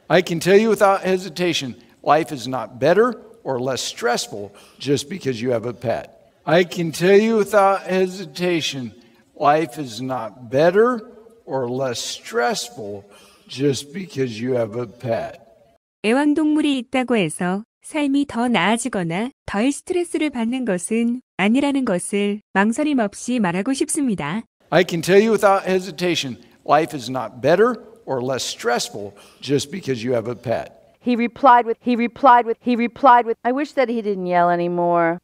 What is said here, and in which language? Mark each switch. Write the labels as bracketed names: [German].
[English] I can tell you without hesitation, life is not better or less stressful just because you have a pet. I can tell you without hesitation, life is not better or less stressful just because you have a pet. [Korean] 애완동물이 있다고 해서 삶이 더 나아지거나 덜 스트레스를 받는 것은 아니라는 것을 망설임 없이 말하고 싶습니다. [English] I can tell you without hesitation, life is not better or less stressful just because you have a pet. He replied with, I wish that he didn't yell anymore.